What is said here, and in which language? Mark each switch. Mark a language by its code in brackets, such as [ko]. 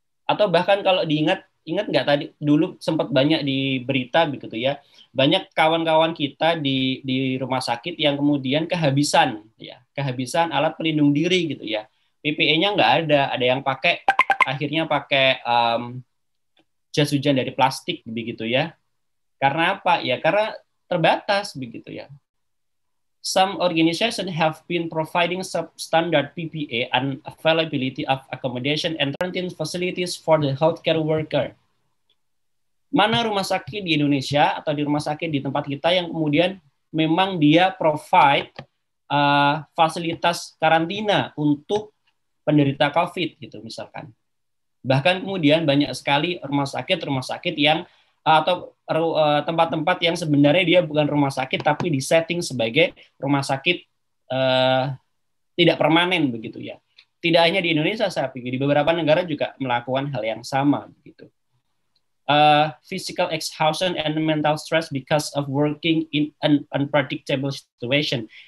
[id] Atau bahkan kalau ingat nggak tadi dulu sempat banyak di berita begitu ya, banyak kawan-kawan kita di rumah sakit yang kemudian kehabisan alat pelindung diri gitu ya, PPE-nya nggak ada yang pakai, akhirnya pakai jas hujan dari plastik begitu ya. Karena apa ya? Karena terbatas begitu ya. [en] Some organizations have been providing substandard PPE and availability of accommodation and quarantine facilities for the healthcare worker. [id] Mana rumah sakit di Indonesia atau di rumah sakit di tempat kita yang kemudian memang dia provide fasilitas karantina untuk penderita COVID gitu misalkan. Bahkan kemudian banyak sekali rumah sakit yang atau tempat-tempat yang sebenarnya dia bukan rumah sakit tapi disetting sebagai rumah sakit tidak permanen begitu ya. Tidak hanya di Indonesia, saya pikir di beberapa negara juga melakukan hal yang sama begitu. [en] Physical exhaustion and mental stress because of working in an unpredictable situation.